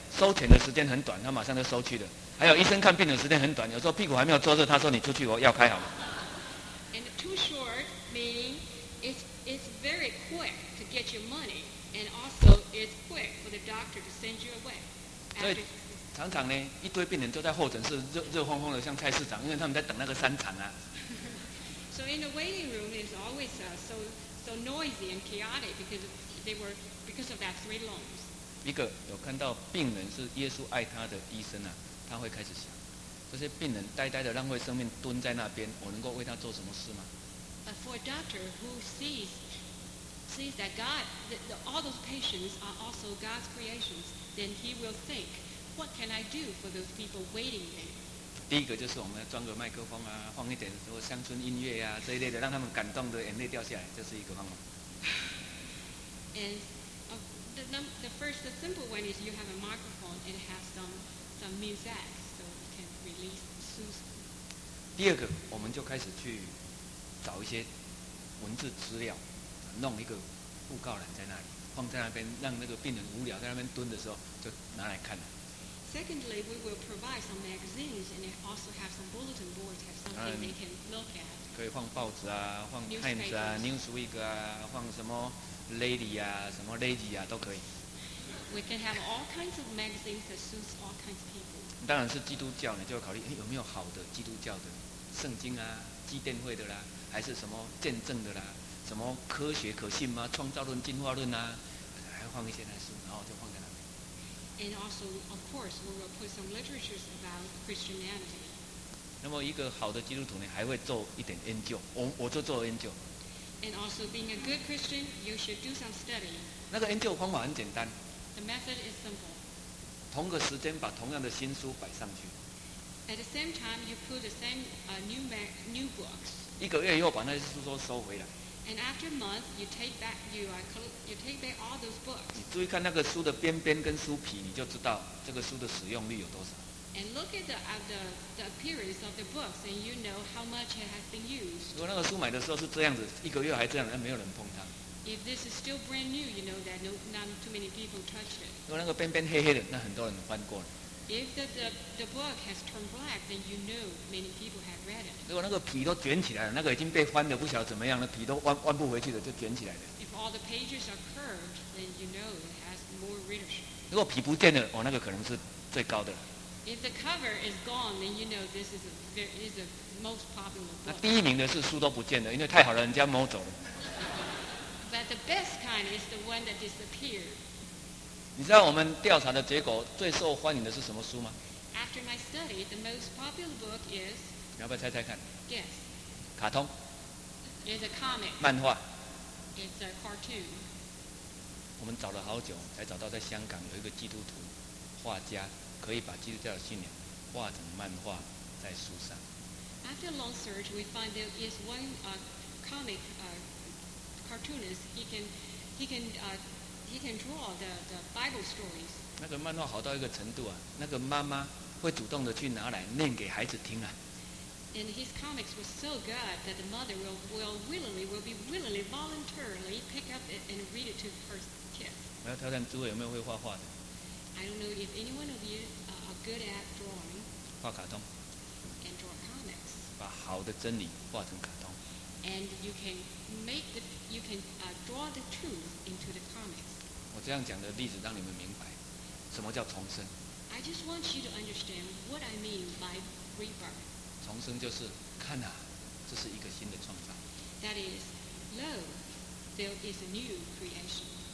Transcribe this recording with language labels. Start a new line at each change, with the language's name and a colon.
Chinese: 收钱的时间很短，他马上就收去了。还有医生看病的时间很短，有时候屁股还没有坐热，他说你出去，我药开好了。
English: And too short means it's very quick to get your money. And also, it's quick for the doctor to send you away.
Chinese: 所以，常常呢，一堆病人都在候诊室热烘烘的，像菜市场，因为他们在等那个三长啊。
English: So in the waiting room is always so noisy and chaotic because of that three longs.
Chinese: 一个有看到病人是耶稣爱他的医生啊，他会开始想，这些病人呆呆的浪费生命蹲在那边，我能够为他做什么事吗
English: ？But for a doctor who sees that God, that all those patients are also God's creations, then he will think, what can I do for those people waiting there?
Chinese: 第一个就是我们要装个麦克风啊，放一点什么乡村音乐啊这一类的，让他们感动的眼泪掉下来，这是一个方法。
English: And the simple one is you have a microphone, it has some music, so it can release soothe.
Chinese: 第二个，我们就开始去找一些文字资料。弄一个布告栏在那里，放在那边，让那个病人无聊在那边蹲的时候，就拿来看了。
English: Secondly, we will provide some magazines and also have some bulletin boards, have something they can look at.
Chinese: 可以放报纸啊，放 Times 啊
English: ，Newsweek
Chinese: 啊，放什么 Lady 啊，什么 Lady 啊，都可以。
English: We can have all kinds of magazines that suits all kinds of people.
Chinese: 当然是基督教呢，就要考虑有没有好的基督教的圣经啊，基甸会的啦，还是什么见证的啦。什么科学可信吗？创造论、进化论啊，还放一些来书，然后就放在那边。
English: And also, of course, we will put some literatures about Christianity.
Chinese: 那么一个好的基督徒呢，还会做一点研究。我就做研究。
English: And also, being a good Christian, you should do some study.
Chinese: 那个研究方法很简单。
English: The method is simple.
Chinese: 同个时间把同样的新书摆上去。
English: At the same time, you put the same new books.
Chinese: 一个月以后把那些书都收回来。
English: And after a month, you take back all those books.
Chinese: 你注意看那个书的边边跟书皮，你就知道这个书的使用率有多少。
English: And look at the appearance of the books, and you know how much it has been used.
Chinese: 如果那个书买的时候是这样子，一个月还这样，那没有人碰它。
English: If this is still brand new, you know that not too many people touched it.
Chinese: 如果那个边边黑黑的，那很多人翻过了。
English: If the book has turned black, then you know many people have read it.
Chinese: 如果那个皮都卷起来了，那个已经被翻的不晓得怎么样了，皮都弯不回去的，就卷起来了。
English: If all the pages are curved, then you know it has more readership.
Chinese: 如果皮不见了，哦，那个可能是最高的。
English: If the cover is gone, then you know this is the most popular book.
Chinese: 那第一名的是书都不见了，因为太好了，人家摸走了。
English: But the best kind is the one that disappeared.
Chinese: 你知道我们调查的结果最受欢迎的是什么书吗
English: ？After my study, the most popular book is.
Chinese: 你要不要猜猜看
English: ？Yes.
Chinese: 卡通。
English: It's a comic.
Chinese: 漫画。
English: It's a cartoon.
Chinese: 我们找了好久，才找到在香港有一个基督徒画家。可以把基督教的信仰画成漫画在书上。
English: After a long search, we find there is one comic cartoonist. He can draw the Bible stories.
Chinese: 那个漫画好到一个程度啊，那个妈妈会主动的去拿来念给孩子听啊。
English: And his comics were so good that the mother will willingly voluntarily pick up it and read it to her kids.
Chinese: 我要挑战诸位有没有会画画的。
English: I don't know if any one of you are good at drawing.
Chinese: 画卡通。
English: And draw comics.
Chinese: 把好的真理画成卡通。
English: And you can draw the truth into the comics.
Chinese: 我这样讲的例子让你们明白什么叫重生。
English: I just want you to understand what I mean by rebirth.
Chinese: 重生就是看啊，这是一个新的创造。
English: That is, lo, there is a new creation.